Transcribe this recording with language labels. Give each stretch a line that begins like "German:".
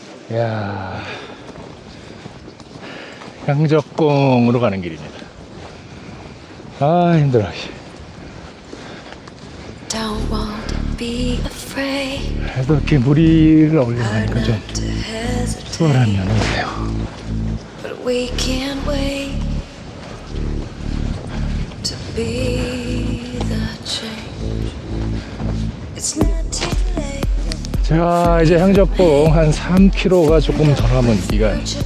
Korean: 이야, 향적궁으로 가는 길입니다. 아, 힘들어.
English: Don't want to be afraid.
Korean: 그래도 이렇게 무리를 어울리니까 좀 수월한 면이 있네요.
English: But we can't wait to be the change. It's not too late.
Korean: 자, 이제 향적궁 한 3km가 조금 더 남은 기간.